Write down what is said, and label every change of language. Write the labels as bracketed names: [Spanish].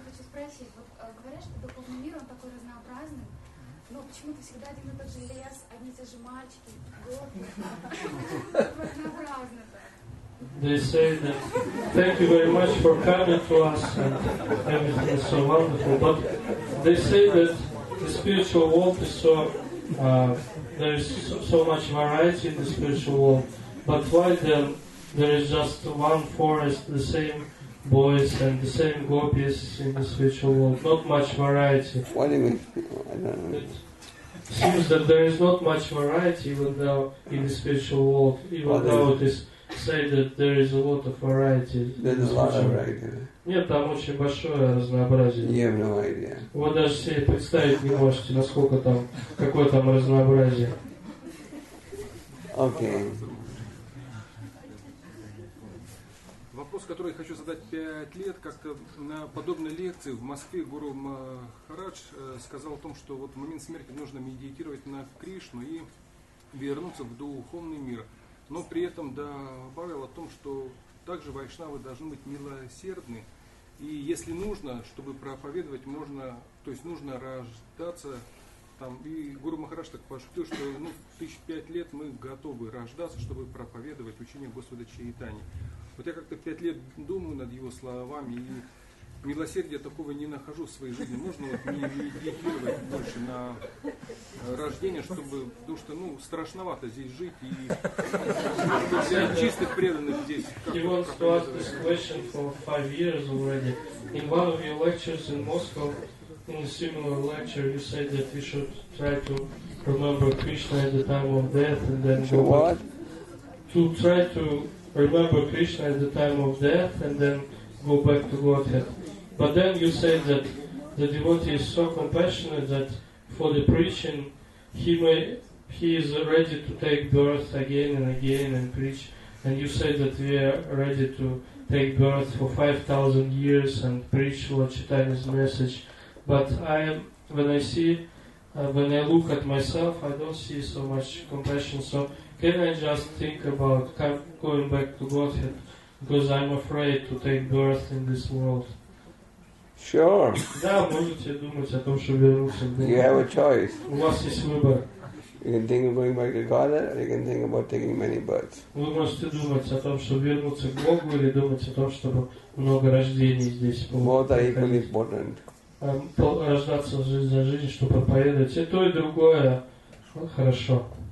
[Russian] Спросить, вот говорят, что духовный мир, он такой разнообразный, но почему-то всегда один и тот же лес, одни и те же мальчики, горки, разнообразно. [English] They say that, thank you very much for coming to us, and everything is so wonderful, but they say that the spiritual world is so, there is so much variety in the spiritual world, but why then there is just one forest, the same boys and the same gopis in the spiritual world, not much variety. What do you mean? I don't know. It seems that there is not much variety even though in the spiritual world, even though it is said that there is a lot of variety. There's a lot of variety. [Russian] Нет, там очень большое разнообразие. [English] You have no idea. [Russian] Вы даже себе представить не можете, насколько там, какое там разнообразие. [English] Okay. [Russian] Вопрос, который я хочу задать 5 лет, как-то на подобной лекции в Москве Гуру Махарадж сказал о том, что вот в момент смерти нужно медитировать на Кришну и вернуться в духовный мир. Но при этом добавил о том, что также вайшнавы должны быть милосердны. И если нужно, чтобы проповедовать, можно, то есть нужно рождаться там. И Гуру Махарадж так пошутил, что ну, 5 лет мы готовы рождаться, чтобы проповедовать учение Господа Чайтани. Вот я как-то 5 лет думаю над его словами, и милосердия такого не нахожу в своей жизни. Можно вот не медитировать больше на рождение, чтобы, потому что, ну, страшновато здесь жить, и чистых преданных здесь. [English] He wants to ask this question for 5 years already. In one of your lectures in Moscow, in a similar lecture, you said that we should try to remember Krishna at the time of death, and then to what? To try to remember Krishna at the time of death and then go back to Godhead. But then you say that the devotee is so compassionate that for the preaching he is ready to take birth again and again and preach. And you say that we are ready to take birth for 5,000 years and preach Lord Chaitanya's message. But when I look at myself, I don't see so much compassion. So can I just think about going back to Godhead because I'm afraid to take birth in this world? Sure. [Russian] Да, можете думать о том, чтобы вернуться в мир. [English] You have a choice. [Russian] У вас есть выбор. [English] You can think of going back to Godhead, or you can think about taking many births. [Russian] Вы можете думать о том, чтобы вернуться к Богу, или думать о том, чтобы много рождений здесь было. [English] Both are equally important. [Russian] Рождаться жизнь за жизнь, чтобы проповедовать, и то, и другое хорошо.